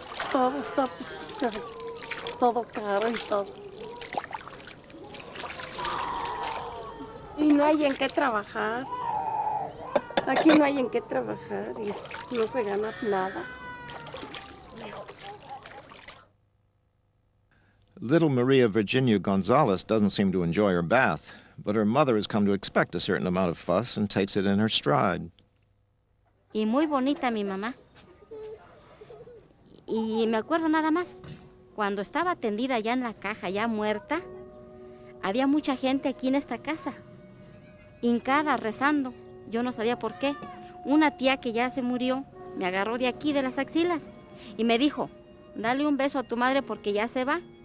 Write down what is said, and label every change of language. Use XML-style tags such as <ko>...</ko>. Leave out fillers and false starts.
<es>Todo está pues todo caro y todo. Y no hay en qué trabajar. Aquí no hay en qué trabajar y no se gana nada.</es> <en>Little Maria Virginia Gonzalez doesn't seem to enjoy her bath, but her mother has come to expect a certain amount of fuss and takes it in her stride.</en> <es>Y muy bonita mi mamá. Y me acuerdo nada más, cuando estaba tendida ya en la caja, ya muerta, había mucha gente aquí en esta casa, hincada, rezando. Yo no sabía por qué. Una tía que ya se murió me agarró de aquí, de las axilas, y me dijo, dale un beso a tu madre porque ya se va.</es>